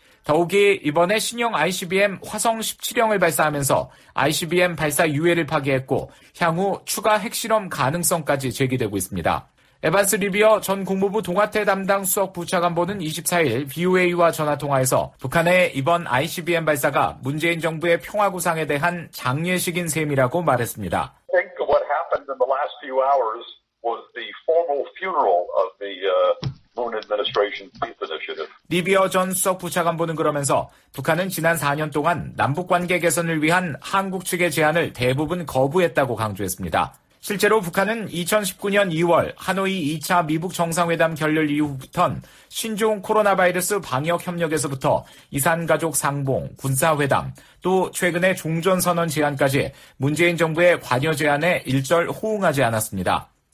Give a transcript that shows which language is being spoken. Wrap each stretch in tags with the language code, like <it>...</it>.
<ko>더욱이 이번에 신형 ICBM 화성 17형을 발사하면서 ICBM 발사 유예를 파기했고 향후 추가 핵실험 가능성까지 제기되고 있습니다. 에반스 리비어 전 국무부 동아태 담당 수석 부차관보는 24일 VOA와 전화통화에서 북한의 이번 ICBM 발사가 문재인 정부의 평화 구상에 대한 장례식인 셈이라고 말했습니다.</ko> <en>I think what happened in the last few hours was the formal funeral of the Moon Administration Peace Initiative.</en> <ko>리비어 전 수석 부차관보는 그러면서 북한은 지난 4년 동안 남북관계 개선을 위한 한국 측의 제안을 대부분 거부했다고 강조했습니다. 실제로 북한은 2019년 2월 하노이 2차 미북 정상회담 결렬 이후부턴 신종 코로나 바이러스 방역 협력에서부터 이산가족 상봉, 군사회담, 또 최근의 종전선언 제안까지 문재인 정부의 관여 제안에 일절 호응하지 않았습니다.</ko>